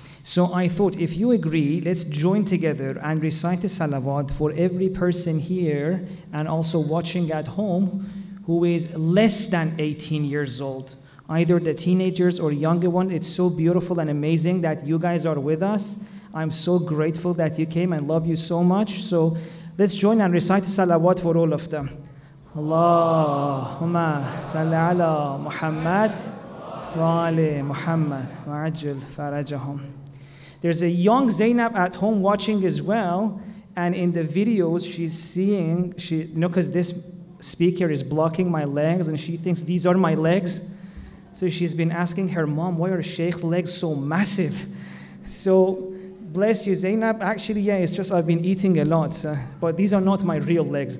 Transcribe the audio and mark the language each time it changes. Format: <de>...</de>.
<en>So I thought, if you agree, let's join together and recite the salawat for every person here and also watching at home who is less than 18 years old, either the teenagers or younger one. It's so beautiful and amazing that you guys are with us. I'm so grateful that you came and love you so much. So let's join and recite the salawat for all of them.</en> <ar>اللهم صل على محمد وعلى محمد وعجل فرجهم.</ar> <en>There's a young Zainab at home watching as well, and in the videos she's seeing, because this speaker is blocking my legs, and she thinks these are my legs. So she's been asking her mom, why are Sheikh's legs so massive? So bless you, Zainab. Actually, yeah, it's just I've been eating a lot, so, but these are not my real legs.</en>